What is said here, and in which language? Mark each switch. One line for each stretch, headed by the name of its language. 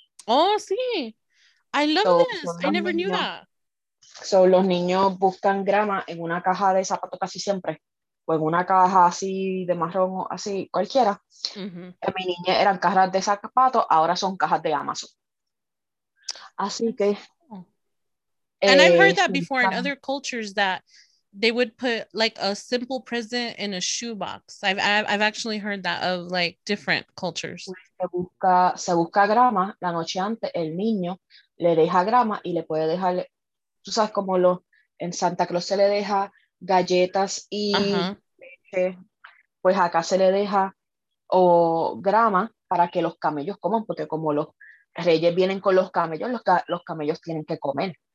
English: Oh,
Spanish: sí.
English: I love this. I never knew that.
Spanish: So, los niños buscan grama en una caja de zapatos casi siempre. O en una caja así de marrón o así, cualquiera. Mm-hmm. Mi niña eran cajas de zapatos, ahora son cajas de Amazon. Así que...
English: And I've heard that before in other cultures, that they would put like a simple present in a shoebox. I've actually heard that of like different cultures.
Spanish: Se busca grama la noche antes, el niño... le deja grama y le puede dejar, tú sabes como lo, en Santa Claus se le deja galletas y leche, pues acá se le deja grama para que los camellos coman, porque como los reyes vienen con los camellos tienen que comer,